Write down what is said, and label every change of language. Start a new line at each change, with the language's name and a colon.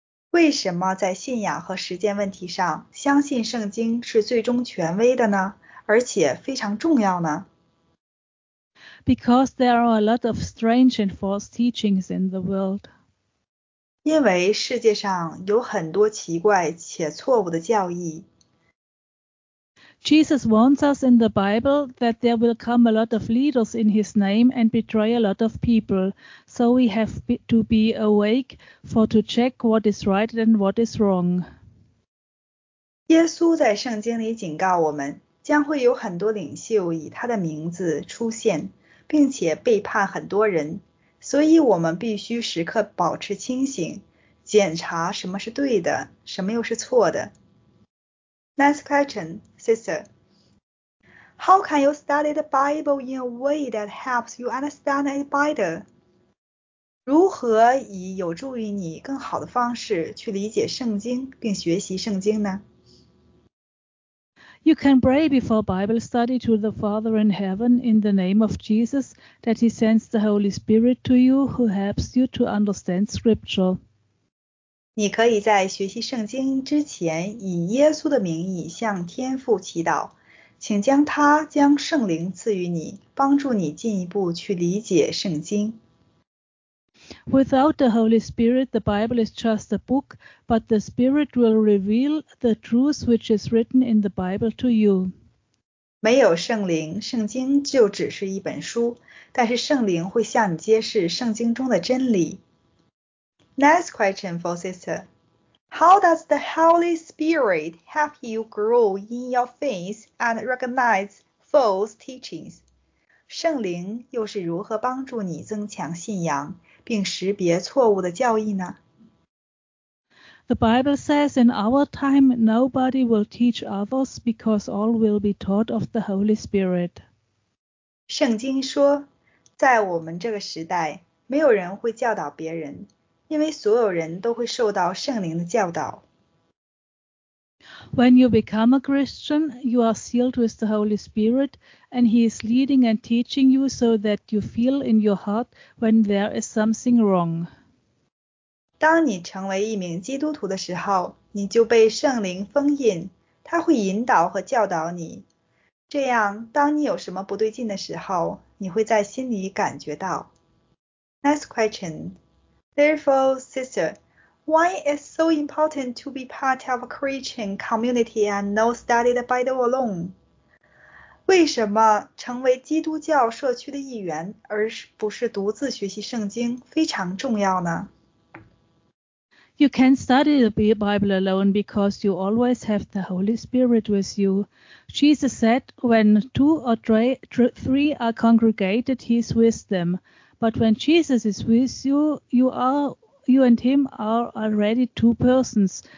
Chinese: 为什么在信仰和实践问题上相信圣经是最终权威的呢？而且非常重要呢？
English: Because there are a lot of strange and false teachings in the world.
Chinese: 因为世界上有很多奇怪且错误的教义。
English: Jesus warns us in the Bible that there will come a lot of leaders in his name and betray a lot of people, so we have to be awake for to check what is right and what is wrong.
Chinese: 耶稣在圣经里警告我们，将会有很多领袖以他的名字出现，并且背叛很多人，所以我们必须时刻保持清醒，检查什么是对的，什么又是错的。
English: Next question, sister. How can you study the Bible in a way that helps you understand it better?
Chinese: 如何以有助于你更好的方式去理解圣经并学习圣经呢？
English: You can pray before Bible study to the Father in heaven in the name of Jesus that he sends the Holy Spirit to you who helps you to understand scripture.
Chinese: 你可以在学习圣经之前以耶稣的名义向天父祈祷，请将他将圣灵赐予你，帮助你进一步去理解圣经。
English: Without the Holy Spirit, the Bible is just a book, but the Spirit will reveal the truth which is written in the Bible to you.
Chinese: 没有圣灵，圣经就只是一本书，但是圣灵会向你揭示圣经中的真理。
English: Next question for sister. How does the Holy Spirit help you grow in your faith and recognize false teachings?
Chinese: 圣灵又是如何帮助你增强信仰并识别错误的教义呢？
English: The Bible says in our time nobody will teach others because all will be taught of the Holy Spirit.
Chinese: 圣经说，在我们这个时代，没有人会教导别人。因为所有人都会受到圣灵的教导。
English: When you become a Christian, you are sealed with the Holy Spirit, and He is leading and teaching you so that you feel in your heart when there is something wrong.
Chinese: 当你成为一名基督徒的时候，你就被圣灵封印，他会引导和教导你。这样，当你有什么不对劲的时候，你会在心里感觉到。
English: Next question. Therefore, sister, why is it so important to be part of a Christian community and not study the Bible alone?
Chinese: 为什么成为基督教社区的一员而不是独自学习圣经非常重要呢？
English: You can study the Bible alone because you always have the Holy Spirit with you. Jesus said, when two or three are congregated, he is with them. But when Jesus is with you, you and him are already two persons.